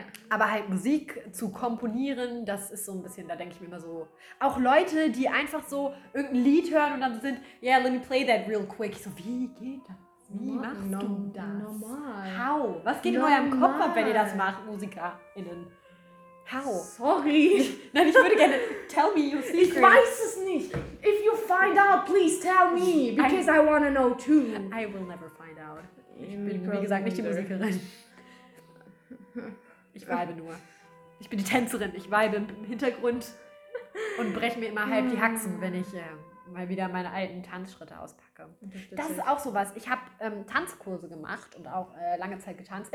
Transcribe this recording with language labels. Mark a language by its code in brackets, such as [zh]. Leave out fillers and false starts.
[de] Aber halt Musik zu komponieren, das ist so ein bisschen, da denke ich mir immer so, auch Leute, die einfach so irgendein Lied hören und dann sind, [en] yeah, let me play that real quick. [de] Ich so, wie geht das? Wie machst du das? Normal. [en] How? [de] Was geht in eurem Kopf ab, wenn ihr das macht, MusikerInnen? [en] How? Sorry. [de] Nein, ich würde gerne, [en] tell me your secret. [de] Ich weiß es nicht. [en] If you find out, please tell me, because I want to know too. I will never find out. [de] Ich bin wie gesagt, nicht die Musikerin. Ich vibe nur. Ich bin die Tänzerin. Ich vibe im Hintergrund und breche mir immer halb die Haxen, wenn ich mal wieder meine alten Tanzschritte auspacke. Das ist auch sowas. Ich habe Tanzkurse gemacht und auch lange Zeit getanzt.